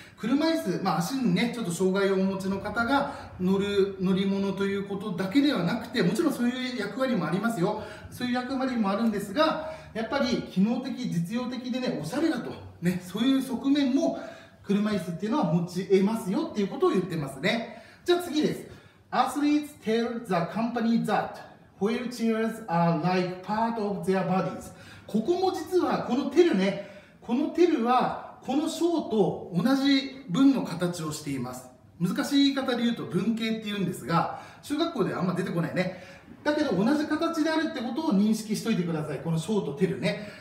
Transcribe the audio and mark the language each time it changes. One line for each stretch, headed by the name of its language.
Japanese: 車椅子、足にね、ちょっと障害をお持ちの方が乗り物ということだけではなくて、もちろんそういう役割もありますよ。そういう役割もあるんですが、やっぱり機能的、実用的でね、おしゃれだと。ね、そういう側面も車椅子っていうのは持ち得ますよっていうことを言ってますね。じゃあ次です。
English: Athletes tell the company that wheelchairs are like part of their bodies.
Japanese: ここも実は、このテルね、このテルは、この章と同じ文の形をしています。難しい言い方で言うと文型って言うんですが、中学校ではあんま出てこないね。だけど同じ形であるってことを認識しといてください。この章とテルね。